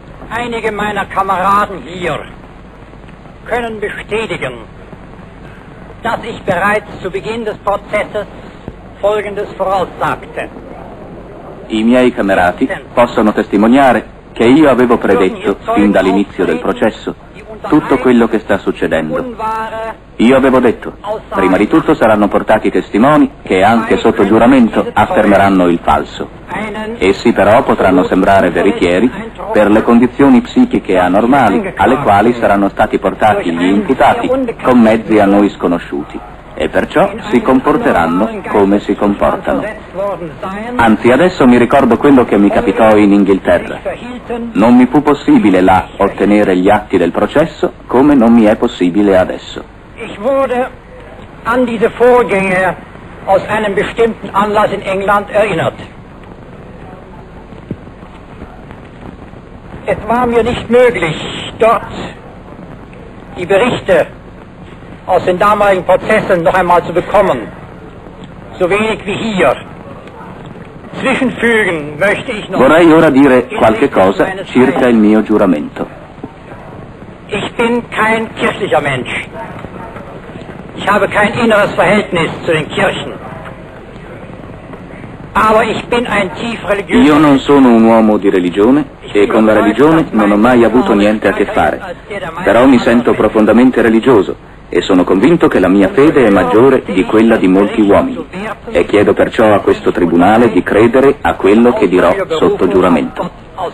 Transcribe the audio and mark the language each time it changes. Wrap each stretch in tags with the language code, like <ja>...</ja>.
<de>Einige meiner Kameraden hier können bestätigen, dass ich bereits zu Beginn des Prozesses Folgendes voraussagte.</de> <it>I miei camerati possono testimoniare che io avevo predetto, fin dall'inizio del processo, tutto quello che sta succedendo. Io avevo detto, prima di tutto saranno portati testimoni che anche sotto giuramento affermeranno il falso. Essi però potranno sembrare veritieri per le condizioni psichiche anormali alle quali saranno stati portati gli imputati con mezzi a noi sconosciuti. E perciò si comporteranno come si comportano. Anzi, adesso mi ricordo quello che mi capitò in Inghilterra. Non mi fu possibile là ottenere gli atti del processo come non mi è possibile adesso.</it> <de>Ich wurde an diese Vorgänge aus einem bestimmten Anlass in England erinnert. Es war mir nicht möglich, dort die Berichte aus den damaligen Prozessen noch einmal zu bekommen, so wenig wie hier. Zwischenfügen möchte ich noch.</de> <it>Vorrei ora dire qualche cosa circa il mio giuramento.</it> <de>Ich bin kein kirchlicher Mensch. Ich habe kein inneres Verhältnis zu den Kirchen. Aber ich bin ein tief religiöser.</de> <it>Io non sono un uomo di religione e con la religione non ho mai avuto niente a che fare. Però mi sento profondamente religioso e sono convinto che la mia fede è maggiore di quella di molti uomini. E chiedo perciò a questo tribunale di credere a quello che dirò sotto giuramento.</it>